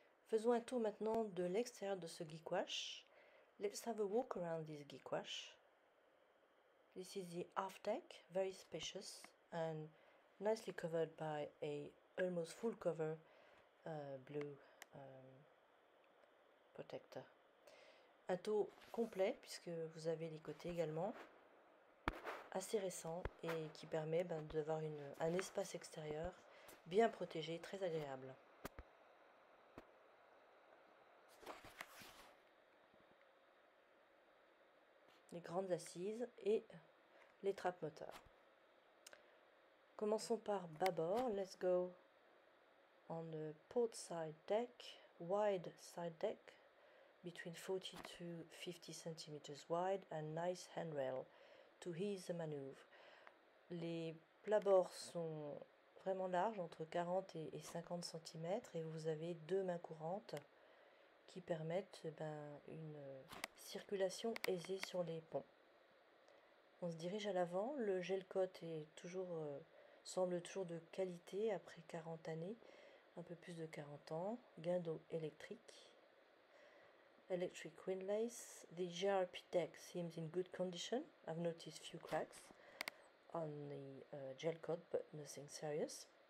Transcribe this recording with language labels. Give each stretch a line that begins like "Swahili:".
French: Faisons un tour maintenant de l'extérieur de ce gouache.
English: Let's have a walk around this gouache. This is the half deck, very spacious and nicely covered by a almost full cover blue protector.
French: Un toit complet puisque vous avez les côtés également, assez récent et qui permet d'avoir un espace extérieur bien protégé, très agréable. Les grandes assises et les trappes moteurs. Commençons par bâbord.
English: Let's go on the port side deck, wide side deck, between 40 to 50 cm wide and nice handrail to ease the maneuver.
French: Les bâbords sont vraiment larges, entre 40 et 50 cm, et vous avez deux mains courantes qui permettent une circulation aisée sur les ponts. On se dirige à l'avant, le gel-coat semble toujours de qualité après 40 années, un peu plus de 40 ans, guindeau électrique.
English: Electric windlace, the GRP deck seems in good condition, I've noticed few cracks on the gel-coat, but nothing serious.